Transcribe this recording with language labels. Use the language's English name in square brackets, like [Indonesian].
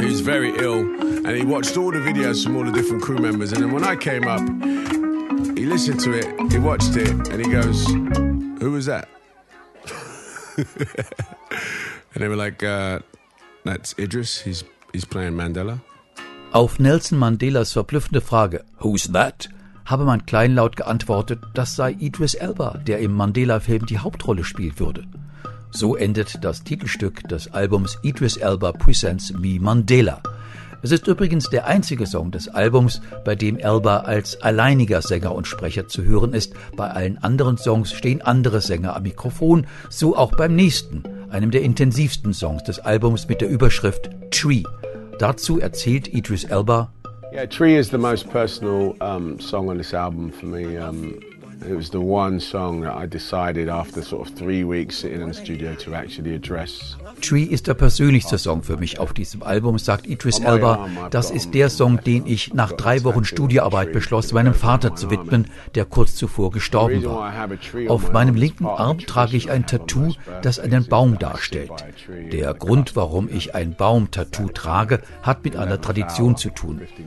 [English] He was very ill. And he watched all the videos from all the different crew members. And then when I came up, he listened to it, he watched it, and he goes, who was that? And they were like, that's Idris, he's playing Mandela. [German] Auf Nelson Mandelas verblüffende Frage, [English] who's that? [German] Habe man kleinlaut geantwortet, das sei Idris Elba, der im Mandela-Film die Hauptrolle spielt würde. So endet das Titelstück des Albums Idris Elba Presents Me Mandela. Es ist übrigens der einzige Song des Albums, bei dem Elba als alleiniger Sänger und Sprecher zu hören ist. Bei allen anderen Songs stehen andere Sänger am Mikrofon, so auch beim nächsten, einem der intensivsten Songs des Albums mit der Überschrift Tree. Dazu erzählt Idris Elba. [English] Yeah, Tree is the most personal song on this album for me. It was the one song that I decided after sort of 3 weeks sitting in the studio to actually address. [German] Tree ist der persönlichste Song für mich auf diesem Album, sagt Idris Elba. Das ist der Song, den ich nach 3 Wochen Studioarbeit beschloss, meinem Vater zu widmen, der kurz zuvor gestorben war. Auf meinem linken Arm trage ich ein Tattoo, das einen Baum darstellt. Der Grund, warum ich ein Baum-Tattoo trage, hat mit einer Tradition zu tun.